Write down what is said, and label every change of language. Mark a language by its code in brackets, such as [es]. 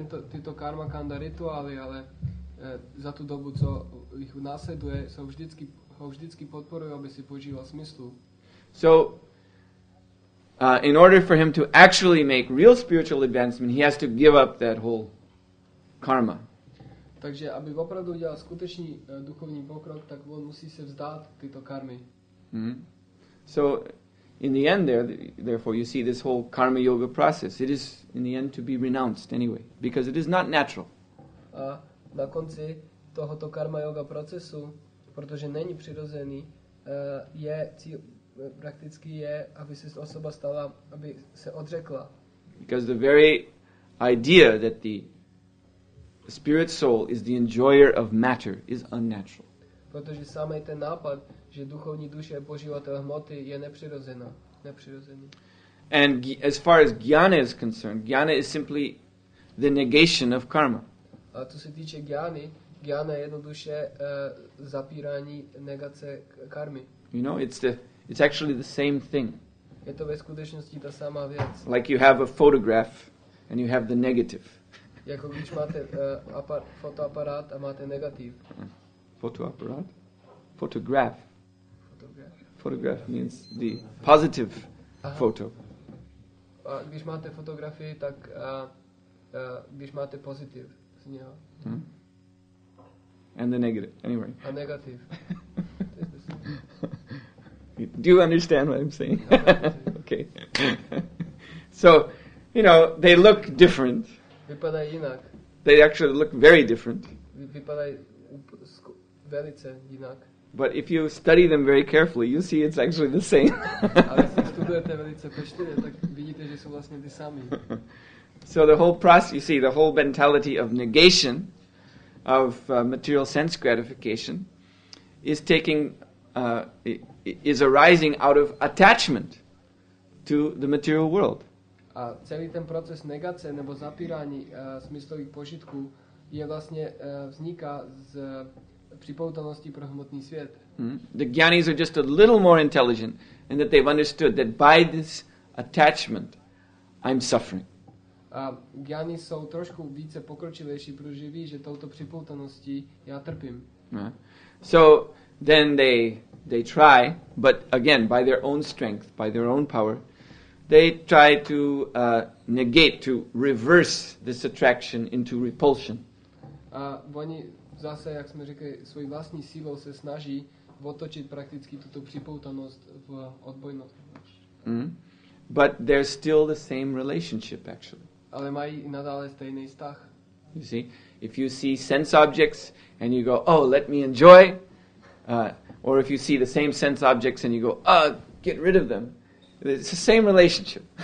[cs] Tyto karma kanda rituály, ale za tu dobu, co jich následuje, ho vždycky podporují, aby si požíval smyslu. [en] So, in order for him to actually make real spiritual advancement, he has to give up that whole karma. [cs] Takže aby opravdu udělal skutečný duchovní pokrok, tak on musí se vzdát tyto karmy. Mm-hmm. [en] So in the end there, therefore you see this whole karma yoga process, it is in the end to be renounced anyway, because it is not natural. [cs] A na konci tohoto karma yoga procesu, protože není přirozený, je cíl, prakticky je, aby se osoba stala, aby se odřekla. [en] Because the very idea that the spirit soul is the enjoyer of matter is unnatural. [cs] Protože samý ten nápad, že duchovní duše je poživatel hmoty, je nepřirozený. [en] And as far as jnana is concerned, jnana is simply the negation of karma. [cs] A co se týče jnany, jnana je jednoduše zapírání negace karmy. [en] You know, it's actually the same thing. [cs] Je to ve skutečnosti ta samá věc. [en] Like you have a photograph and you have the negative. [cs] Jako když máte fotoaparát a máte negativ. [en] Fotoaparát? Photograph. Photograph means the positive photo. [cs] A když máte fotografii, tak když máte pozitiv z něho. [en] And the negative, anyway. [cs] A negativ. [en] Do you understand what I'm saying? Okay. So, you know, they look different. [cs] Vypadají jinak. [en] They actually look very different. [cs] Vypadají velice jinak. [en] But if you study them very carefully, you see it's actually the same. [cs] Ale když studujete velice pečlivě, tak vidíte, že jsou vlastně ty samé. [en] So the whole process, you see, the whole mentality of negation, of material sense gratification, is taking, is arising out of attachment to the material world. [cs] A celý ten proces negace nebo zapírání smyslových požitků je vlastně vzniká z připoutanosti pro hmotný svět. [en] The jnanis are just a little more intelligent in that they've understood that by this attachment I'm suffering. [cs] A jnanis jsou trošku více pokročilejší, protože ví, že touto připoutaností já trpím. [en] So then they try, but again by their own strength, by their own power, they try to negate, to reverse this attraction into repulsion. [cs] A oni zase, jak jsme řekli, svojí vlastní sílou se snaží otočit prakticky tuto připoutanost v odbojnost. [en] But there's still the same relationship, actually. [cs] Ale mají nadále stejný vztah. [en] You see, if you see sense objects and you go, oh, let me enjoy, or if you see the same sense objects and you go, get rid of them, it's the same relationship.